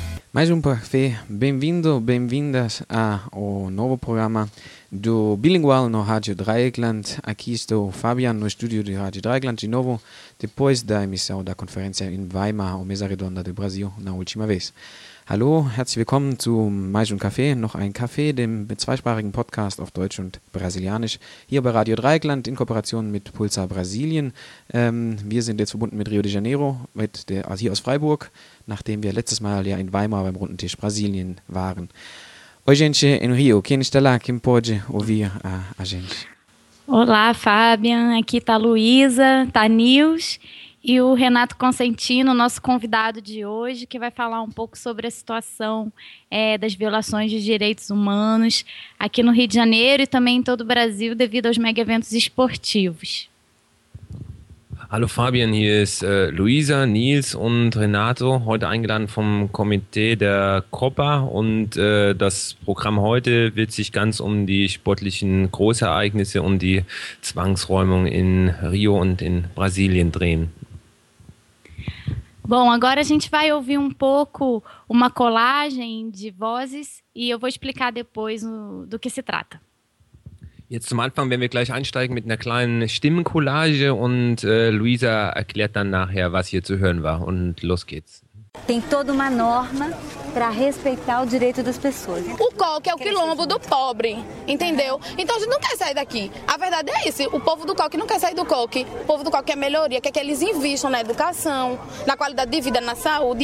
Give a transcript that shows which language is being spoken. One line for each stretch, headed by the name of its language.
Portuguese: Mais um café. Bem-vindo, bem-vindas ao novo programa do Bilingual no Rádio Dreieckland. Aqui estou, Fabian, no estúdio de Rádio Dreieckland, de novo, depois da emissão da conferência em Weimar, ou Mesa Redonda do Brasil, na última vez.
German: Hallo, herzlich willkommen zu Mais um Café, noch ein Café, dem zweisprachigen Podcast auf Deutsch und Brasilianisch, hier bei Radio Dreieckland in Kooperation mit Pulsar Brasilien. Wir sind jetzt verbunden mit Rio de Janeiro, also hier aus Freiburg, nachdem wir letztes Mal ja in Weimar beim Runden Tisch Brasilien waren.
Portuguese: Oi gente, em Rio, quem está lá, quem pode ouvir a gente? Olá, Fabian, aqui está a Luísa, está a Nils e o Renato Consentino, nosso convidado de hoje, que vai falar um pouco sobre a situação das violações de direitos humanos aqui no Rio de Janeiro e também em todo o Brasil devido aos mega eventos esportivos.
German: Hallo Fabian, hier ist Luisa, Nils und Renato, heute eingeladen vom Komitee der COPPA und das Programm heute wird sich ganz um die sportlichen Großereignisse und die Zwangsräumung in Rio und in Brasilien drehen.
Portuguese: Bom, agora a gente vai ouvir um pouco uma colagem de vozes e eu vou explicar depois do que se trata.
German: Jetzt zum Anfang werden wir gleich einsteigen mit einer kleinen Stimmencollage und Luisa erklärt dann nachher, was hier zu hören war. Und los geht's.
Portuguese: Tem toda uma norma para respeitar o direito das pessoas. O COC é o quilombo do pobre, entendeu? Então a gente não quer sair daqui. A verdade é isso, o povo do COC não quer sair do COC. O povo do COC quer melhoria, quer que eles investam na educação, na qualidade de vida, na saúde.